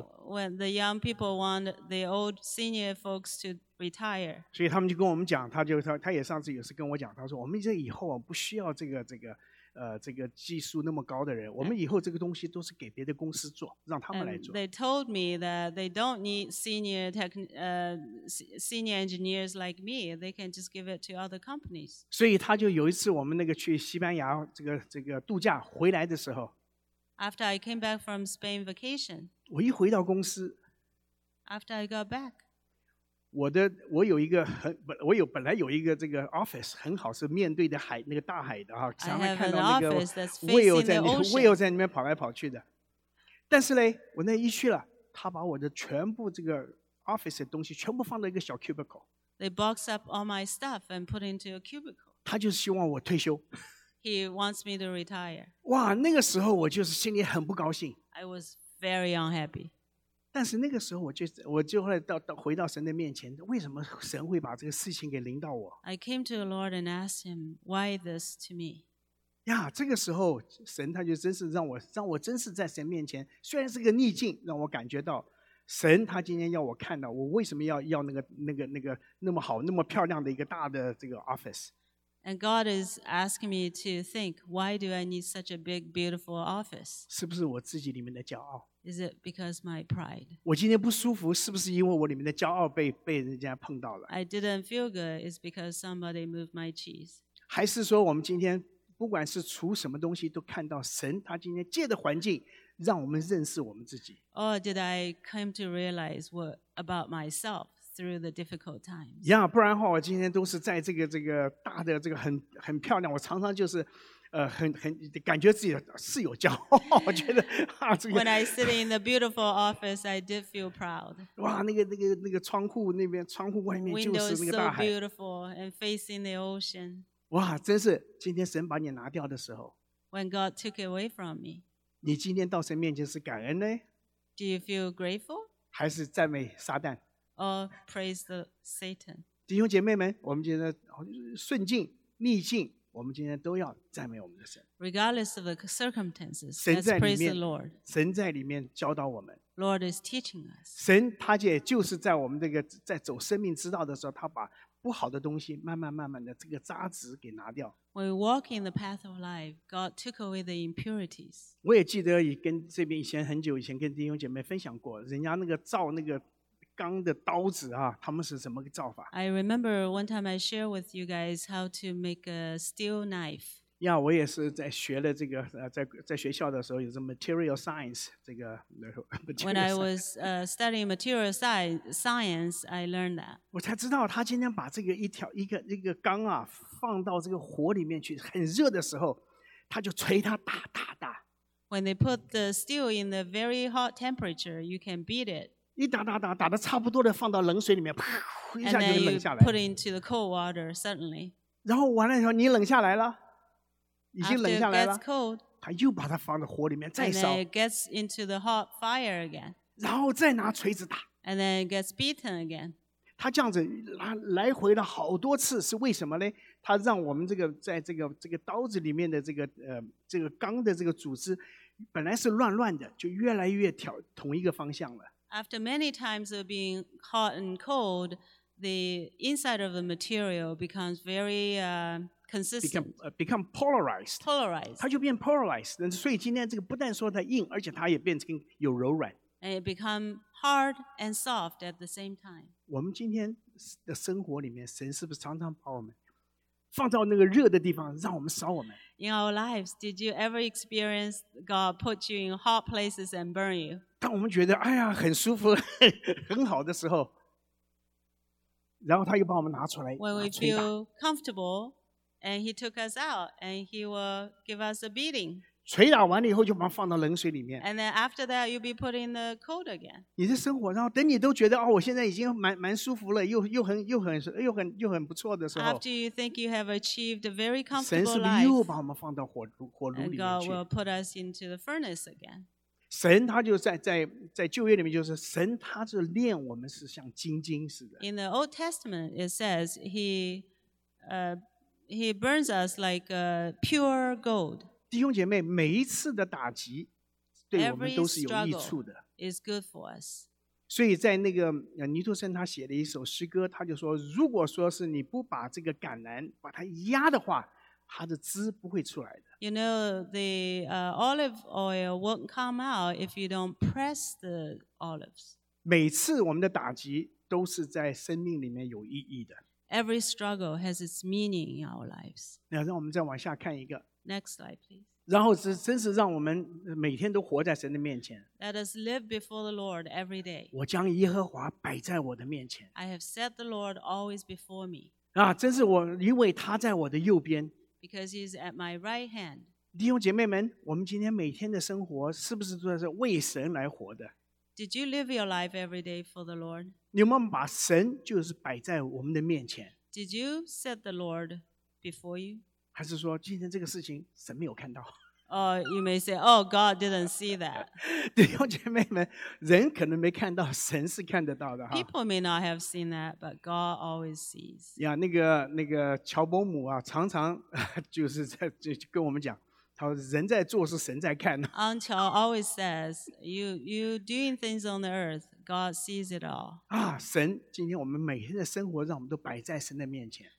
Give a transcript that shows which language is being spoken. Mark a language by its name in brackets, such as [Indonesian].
[English] And when the young people want the old senior folks to retire, [Chinese] 所以他们就跟我们讲，他也上次也是跟我讲，他说我们这以后不需要这个。这个技术那么高的人，我们以后这个东西都是给别的公司做，让他们来做。 [English] They told me that they don't need senior engineers like me. They can just give it to other companies. [Chinese] 所以他就有一次我们那个去西班牙这个度假回来的时候 [English] ，After I came back from Spain vacation， [Chinese] 我一回到公司 [English] ，After I got back， [Chinese] 我本来有一个这个 office 很好，是面对的海那个大海的哈，常常看到那个 [English] Will [Chinese] 在里面跑来跑去的。但是嘞，我那一去了，他把我的全部这个 office 的东西全部放在一个小 cubicle。 [English] They box up all my stuff and put into a cubicle。 [Chinese] 他就是希望我退休。 [English] He wants me to retire。 [Chinese] 哇，那个时候我就是心里很不高兴。 [English] I was very unhappy。 [Chinese] 但是那个时候我就后来回到神的面前，为什么神会把这个事情给临到我 [English] ？I came to the Lord and asked Him why this to me. [Chinese] 呀，这个时候神他就真是让我真是在神面前，虽然是个逆境，让我感觉到神他今天要我看到我为什么要那个那么好那么漂亮的一个大的这个 office。 [English] And God is asking me to think, why do I need such a big, beautiful office? [Chinese] 是不是我自己里面的骄傲？ [English] Is it because my pride? [Chinese] 我今天不舒服，是不是因为我里面的骄傲被人家碰到了？ [English] I didn't feel good, is because somebody moved my cheese. [Chinese] 还是说我们今天不管是除什么东西，都看到神他今天借的环境，让我们认识我们自己？ [English] Or did I come to realize what about myself? Through the difficult times. [Chinese] Yeah, 不然的话，我今天都是在这个大的这个很漂亮。我常常就是，很感觉自己是有骄傲。我觉得啊，这个。 [English] When I sit in the beautiful office, I did feel proud. [Chinese] 哇，那个窗户那边窗户外面就是那个大海。 [English] Windows so beautiful and facing the ocean. [Chinese] 哇，真是今天神把你拿掉的时候。 [English] When God took it away from me. [Chinese] 你今天到神面前是感恩呢 [English] ？Do you feel grateful? [Chinese] 还是赞美撒旦？ [English] Or praise the Satan. [Chinese] 弟兄姐妹们，我们今天顺境、逆境，我们今天都要赞美我们的神。 [English] Regardless of the circumstances, let's praise the Lord. [Chinese] 神在里面教导我们。 [English] Lord is teaching us. [Chinese] 神他也就是在我们这个在走生命之道的时候，他把不好的东西慢慢慢慢的这个渣滓给拿掉。 [English] When we walk in the path of life, God took away the impurities. [Chinese] 我也记得跟这边以前很久以前跟弟兄姐妹分享过，人家那个造那个。钢的刀子啊，他们是怎么个造法 [English] ？I remember one time I share with you guys how to make a steel knife. [Chinese] 呀，我也是在学了这个，在学校的时候有这 material science 这个。 [English] When I was studying material science, I learned that. [Chinese] 我才知道他今天把这个一个钢啊放到这个火里面去，很热的时候，他就捶它打打打。 [English] When they put the steel in the very hot temperature, you can beat it. [Chinese] 一打打打打得差不多的，放到冷水里面，啪，一下就冷下来。 [English] And then you put into the cold water suddenly. [Chinese] 然后完了以后，你冷下来了，已经冷下来了。 [English] After it gets cold, [Chinese] 他又把它放到火里面再烧。 [English] And then it gets into the hot fire again. [Chinese] 然后再拿锤子打。 [English] And then it gets beaten again. [Chinese] 他这样子来回了好多次，是为什么呢？它让我们这个在这个刀子里面的这个钢的这个组织，本来是乱乱的，就越来越挑同一个方向了。 [English] After many times of being hot and cold, the inside of the material becomes very consistent. Become polarized. Polarized. [Chinese] 它就变 polarized. 所以今天这个不但说它硬，而且它也变成有柔软。 [English] And it become hard and soft at the same time. [Chinese] 我们今天的生活里面，神是不是常常把我们放到那个热的地方，让我们烧我们。 [English] In our lives, did you ever experience God put you in hot places and burn you? [Chinese] 当我们觉得哎呀很舒服很好的时候，然后他又把我们拿出来。 [English] When we feel comfortable, and He took us out, and He will give us a beating. [Chinese] 捶打完了以后，就把放到冷水里面。 [English] And then after that, you'll be put in the cold again. [Chinese] 你的生活，然后等你都觉得哦，我现在已经蛮舒服了，又很不错的时候。 [English] After you think you have achieved a very comfortable [Chinese] life, 神是不是又把我们放到火炉里面去 [English] ？And God will put us into the furnace again. [Chinese] 神他就在旧约里面，就是神他是炼我们是像金晶似的。 [English] In the Old Testament, it says he burns us like a pure gold. [Chinese] 弟兄姐妹，每一次的打击对我们都是有益处的。 [English] Is good for us. [Chinese] 所以在那个尼托森他写了一首诗歌，他就说，如果说是你不把这个橄榄把它压的话，它的汁不会出来的。 [English] You know, the olive oil won't come out if you don't press the olives. [Chinese] 每次我们的打击都是在生命里面有意义的。 [English] Every struggle has its meaning in our lives. [Chinese] 那让我们再往下看一个。 [English] Next slide, please. [Chinese] 然后是真是让我们每天都活在神的面前。 [English] Let us live before the Lord every day. [Chinese] 我将耶和华摆在我的面前。 [English] I have set the Lord always before me. [Chinese] 啊，真是我，因为他在我的右边。 [English] Because he is at my right hand. [Chinese] 弟兄姐妹们，我们今天每天的生活是不是都是为神来活的 [English] ？Did you live your life every day for the Lord? [Chinese] 你有没有把神就是摆在我们的面前 [English] ？Did you set the Lord before you? [Chinese] 还是说今天这个事情神没有看到 [English] You may say, oh, God didn't see that. [Chinese] 弟兄姐妹们，人可能没看到，神是看得到的。 [English] People may not have seen that, but God always sees. [Chinese] 呀，那个乔伯姆啊，常常就是在就跟我们讲，他说人在做是神在看。 [English] Uncle always says, you doing things on the earth, God sees it all. [Chinese] 啊，神，今天我们每天的生活让我们都摆在神的面前。